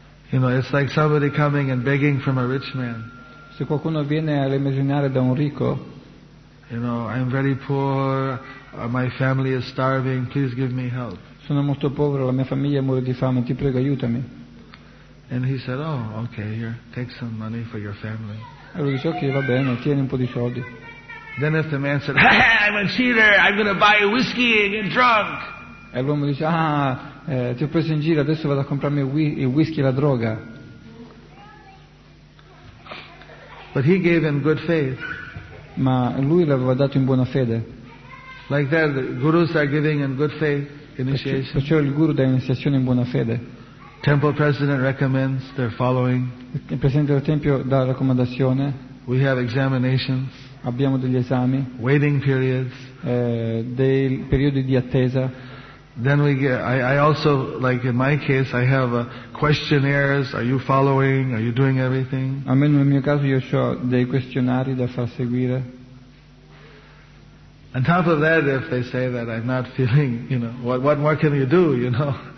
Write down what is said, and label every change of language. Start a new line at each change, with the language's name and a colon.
English: You know, it's like somebody coming and begging from a rich man.
Italian: Se qualcuno viene a elemosinare da un ricco.
English: You know, I'm very poor. My family is starving. Please give me help.
Italian: Sono molto povero, la mia famiglia muore di fame. Ti prego, aiutami.
English: And he said, "Oh, okay, here, take some money for your family."
Italian: E lui dice, "Okay, va bene, tieni un po' di soldi."
English: Then if the man said, "Ha, I'm a cheater. I'm going to buy whiskey and get drunk."
Italian: E l'uomo dice, ti ho preso in giro, adesso vado a comprarmi il whisky e la droga.
English: But he gave him good faith.
Italian: Ma lui l'aveva dato in buona fede.
English: Like that, the gurus are giving in good faith initiation.
Italian: Perciò il guru dà iniziazione in buona fede.
English: Temple president recommends their following.
Italian: Il presidente del tempio dà raccomandazione.
English: We have examinations.
Italian: Abbiamo degli esami.
English: Waiting periods.
Italian: Dei periodi di attesa.
English: Then we get, I also, like in my case, I have questionnaires. Are you following? Are you doing everything?
Italian: Almeno nel mio caso io ho dei questionari da far seguire.
English: On top of that, if they say that I'm not feeling, you know, what more can you do, you know?